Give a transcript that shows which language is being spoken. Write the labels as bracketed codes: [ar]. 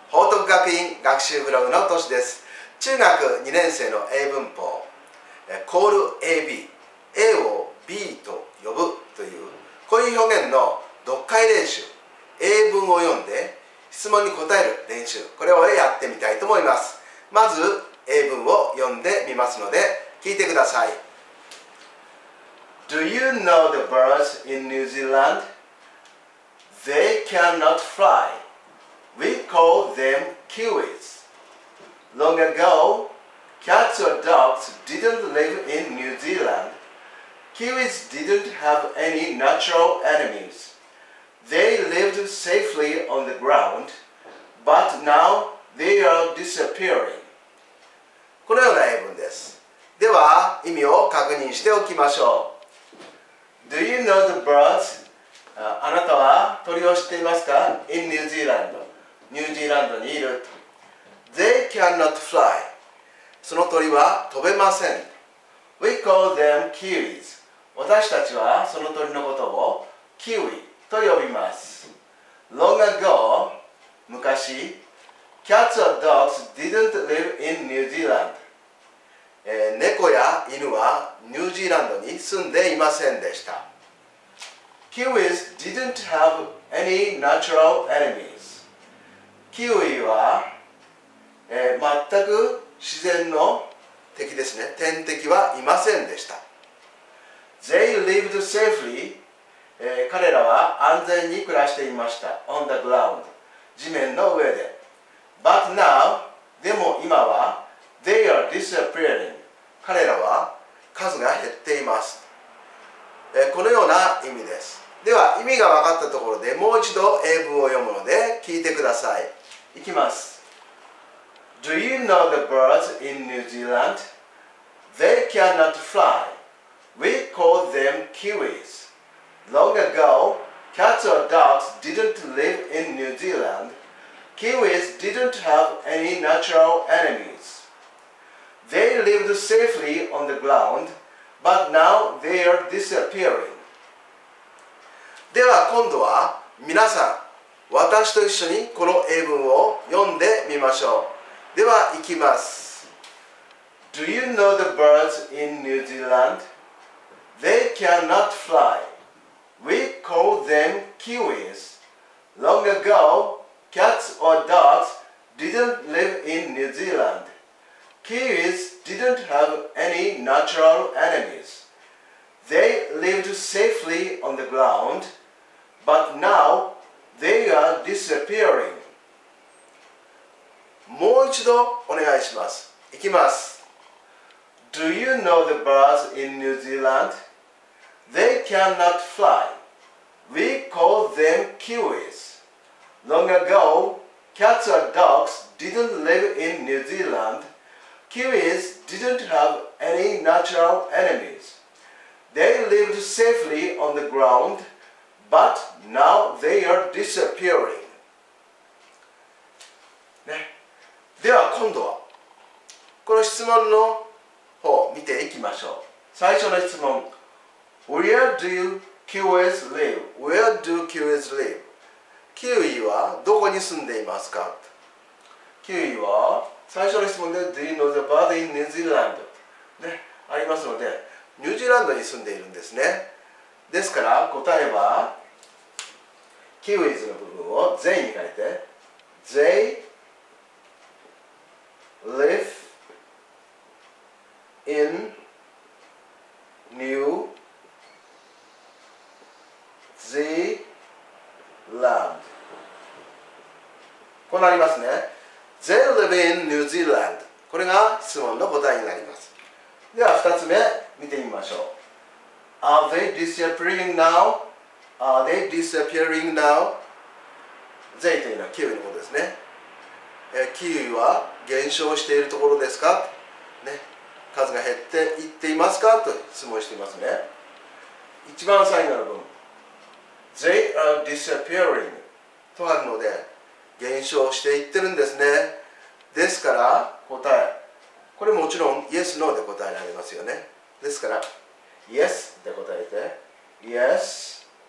[ja] 報徳学院学習ブログのとしです。中学2年生の英文法、コール AB、A を B と呼ぶというこういう表現の読解練習、英文を読んで質問に答える練習、これをやってみたいと思います。まず英文を読んでみますので聞いてください。 [en] Do you know the birds in New Zealand? They cannot fly. We call them kiwis. Long ago, cats or dogs didn't live in New Zealand. Kiwis didn't have any natural enemies. They lived safely on the ground, but now they are disappearing. [ja] このような英文です。では、意味を確認しておきましょう。 [en] Do you know the birds? [ja] あなたは鳥を知っていますか? [en] In New Zealand. [ja] ニュージーランドにいる。 [en] They cannot fly. [ja] その鳥は飛べません。 [en] We call them kiwis. [ja] 私たちはその鳥のことをキウイと呼びます。 [en] Long ago, [ja] 昔、 [en] cats or dogs didn't live in New Zealand. [ja] 猫や犬はニュージーランドに住んでいませんでした。 [en] Kiwis didn't have any natural enemies. [ja] キウイは、全く自然の敵ですね。天敵はいませんでした。 [en] They lived safely. [ja] 彼らは安全に暮らしていました。 [en] On the ground. [ja] 地面の上で。 [en] But now, [ja] でも今は、 [en] they are disappearing. [ja] 彼らは数が減っています。このような意味です。では意味が分かったところでもう一度英文を読むので聞いてください。いきます。 [en] Do you know the birds in New Zealand? They cannot fly. We call them kiwis. Long ago, cats or dogs didn't live in New Zealand. Kiwis didn't have any natural enemies. They lived safely on the ground, but now they are disappearing. [ja] では今度は皆さん、私と一緒にこの英文を読んでみましょう。では行きます。 [en] Do you know the birds in New Zealand? They cannot fly. We call them kiwis. Long ago, cats or dogs didn't live in New Zealand. Kiwis didn't have any natural enemies. They lived safely on the ground. But now, they are disappearing. [ja] もう一度お願いします。いきます。 Do you know the birds in New Zealand? They cannot fly. We call them kiwis. Long ago, cats or dogs didn't live in New Zealand. Kiwis didn't have any natural enemies. They lived safely on the ground. But now they are disappearing.、ね、では今度はこの質問の方を見ていきましょう。最初の質問。 [en] Where do kiwis live? Where do kiwis live? [ja] キウイはどこに住んでいますか? キウイは最初の質問で [en] Do you know the bird in New Zealand?、 [ja] ね、ありますので、ニュージーランドに住んでいるんですね。ですから答えはキウイズの部分を they に変えて [en] They live in New Zealand [ja] こうなりますね [en] They live in New Zealand [ja] これが質問の答えになりますでは二つ目見てみましょう [en] Are they disappearing now? Are they disappearing now? [ja] They というのはキウイのことですね。キウイは減少しているところですか、ね、数が減っていっていますかと質問していますね。一番最後の文。 [en] They are disappearing. [ja] とあるので、減少していってるんですね。ですから、答え。これもちろん Yes, No で答えられますよね。ですから、 Yes で答えて、Yes.They